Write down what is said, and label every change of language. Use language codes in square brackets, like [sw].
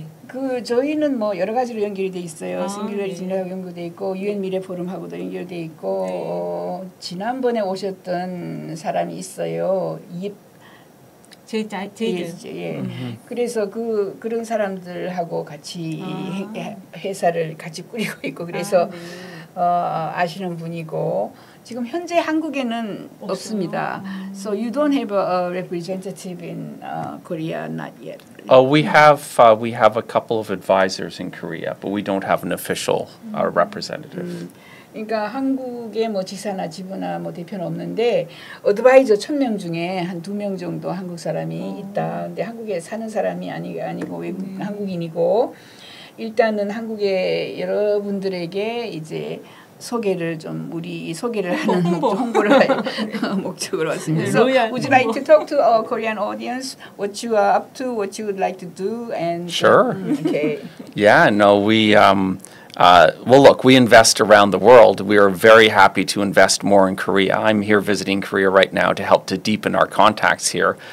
[ko] 그 저희는 뭐 여러 가지로 연결이 돼 있어요. 싱귤러리 진학 연구돼 있고 유엔 미래 포럼하고도 연결돼 있고 지난번에 오셨던 사람이 있어요. 제이든. 예. 그래서 그런 사람들하고 같이 회사를 같이 꾸리고 있고 그래서 아시는 분이고 지금 현재 한국에는 없어요. 없습니다. [en] So you don't have a representative in Korea not yet. We have a couple of advisors in Korea, but we don't have an official representative. [ko] 그러니까 한국에 뭐 지사나 지부나 뭐 대표는 없는데 어드바이저 1,000명 중에 한 2명 정도 한국 사람이 있다. 근데 한국에 사는 사람이 아니고 외국 한국인이고 일단은 한국의 여러분들에게 이제 소개를 좀 우리 소개를 하는 홍보를 할 목적으로 왔습니다. [en] So, would you like to talk to our Korean audience? What you are up to? What you would like to do? And sure. Okay. Yeah. No. Well, look, we invest around the world. We are very happy to invest more in Korea. I'm here visiting Korea right now to help to deepen our contacts here.